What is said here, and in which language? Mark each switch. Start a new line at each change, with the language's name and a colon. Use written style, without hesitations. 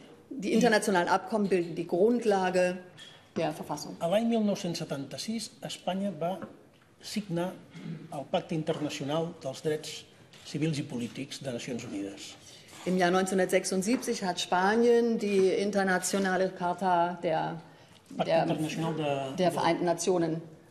German: Die internationalen Abkommen bilden die Grundlage der Verfassung.
Catalan: A l'any 1976, Espanya va signar el Pacte Internacional dels Drets Civils i Polítics de Nacions Unides.
German: Im Jahr 1976 hat Spanien die internationale Charta der Vereinten Nationen.